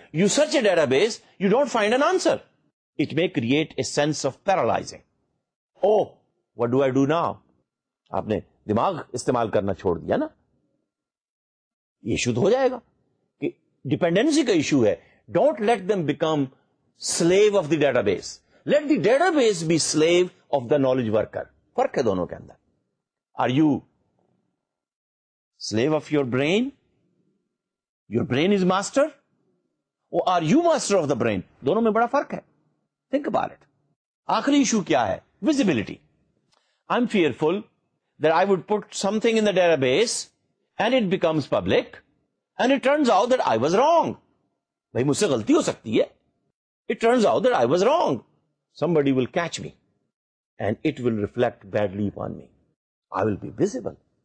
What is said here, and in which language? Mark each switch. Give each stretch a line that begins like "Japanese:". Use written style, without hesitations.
English: You search a database you don't find an answer. It may create a sense of paralysing. Oh what do I do now.
Urdu: آپ نے دماغ استعمال کرنا چھوڑ دیا نا. ایشو تو ہو جائے گا کہ ڈیپینڈینسی کا ایشو ہے.
English: Don't let them become slave of the database. Let the database be slave of the knowledge worker.
Urdu: فرق ہے دونوں کے اندر.
English: Are you slave of your brain? Your brain is master or are you master of the brain?
Urdu: دونوں میں بڑا فرق ہے.
English: Think about it.
Urdu: آخری ایشو کیا ہے؟ Visibility.
English: I am fearful that I would put something in the database and it becomes public and it turns out that I was wrong.
Urdu: Bhai, mujhse galti ho sakti hai.
English: It turns out that I was wrong. Somebody will catch me and it will reflect badly upon me. I will be visible.